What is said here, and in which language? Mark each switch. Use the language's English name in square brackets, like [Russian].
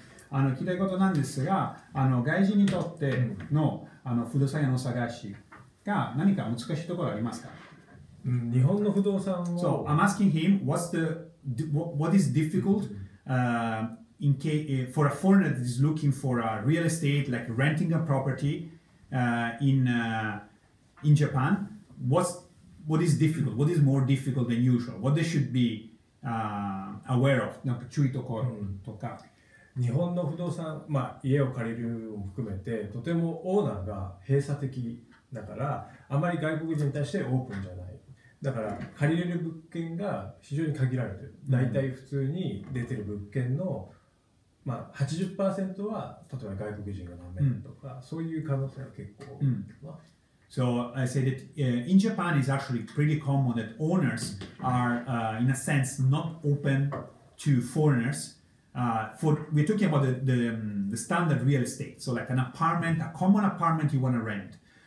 [Japanese] あの聞きたいことなんですが、あの外人にとっての、あの不動産屋の探しが何か難しいところありますか？日本の不動産を。 [English] So I'm asking him what is difficult for a foreigner that is looking for a real estate like renting a property in Japan. What is difficult? What is more difficult than usual? What they should be aware of? [Japanese] なんか注意ところとか。日本の不動産、まあ、家を借りるを含めてとてもオーナーが閉鎖的だからあまり外国人に対してオープンじゃない。だから借りれる物件が非常に限られてる。だいたい普通に出てる物件の、まあ、80% は例えば外国人がダメとか、そういう可能性は結構あるわ。 [English] So I say that in Japan it's actually pretty common that owners are in a sense not open to foreigners. We're talking about the standard real estate, so like an apartment, a common apartment you want to rent.